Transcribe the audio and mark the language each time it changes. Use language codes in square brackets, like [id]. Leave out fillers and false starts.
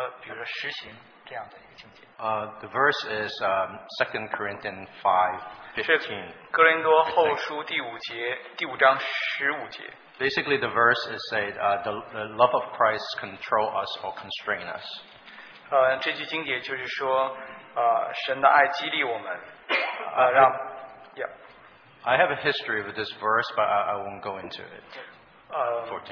[zh] 有一个经节可能对我非常困难，一个字可能就是说，比如说实行这样的一个经节。 [en] The verse is 2 Corinthians 5:15. [zh] 哥林多后书第五节第五章十五节。 [en] Basically, the verse is said, the love of Christ control us or constrain us. [zh] 这句经节就是说，神的爱激励我们，让。 [en] I have a history with this verse, but I won't go into it.